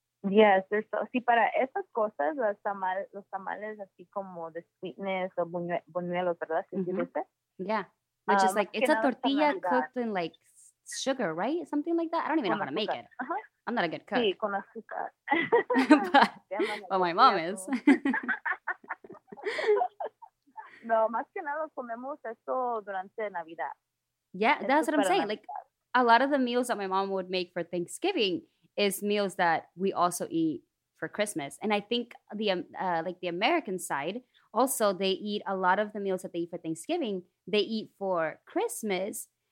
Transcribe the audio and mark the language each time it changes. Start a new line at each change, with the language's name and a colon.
English: Yes, there's so,
Spanish: sí, para esas cosas, los tamales así como de sweetness o buñuelos, ¿verdad? ¿Sí,
English: which is like, it's a tortilla cooked in like sugar, right? Something like that. I don't even know how to make it. I'm not a good cook.
Spanish: Sí, con azúcar.
English: But my mom is.
Spanish: No, más que nada comemos eso durante Navidad.
English: Yeah, that's what I'm saying. Like, a lot of the meals that my mom would make for Thanksgiving is meals that we also eat for Christmas. And I think the like the American side, also they eat a lot of the meals that they eat for Thanksgiving, they eat for Christmas.